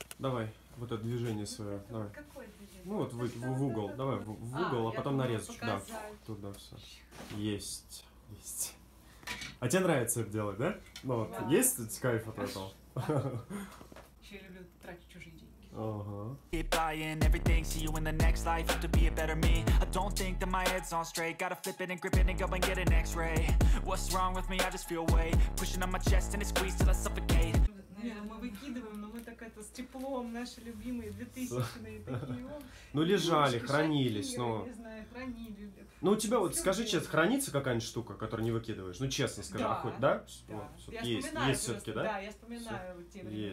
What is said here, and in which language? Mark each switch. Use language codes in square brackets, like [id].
[ru] Давай, вот это движение свое. Какое движение? Ну вот в угол, это... давай в угол, а потом думала, нарезочку. Показать. Да, туда все. Есть. А тебе нравится это делать, да? Ну вот, да. Есть кайф от этого? Еще я люблю тратить чужие деньги. [en] Keep buying everything, see you in the next life. Have to be a better me. I don't think that my head's on straight. Gotta flip it and grip it and go and get an x-ray. What's wrong with me? I just feel weight pushing on my chest and it squeezes till I suffocate. [ru] Мы выкидываем, но мы так это с теплом, наши любимые 2000-е такие. Ну, лежали, хранились, но... Не знаю, хранили. Ну, у тебя вот, скажи честно, хранится какая-нибудь штука, которую не выкидываешь? Ну, честно скажу, да. А хоть, да? Да. Вот, есть все-таки, да? Да, я вспоминаю те времена.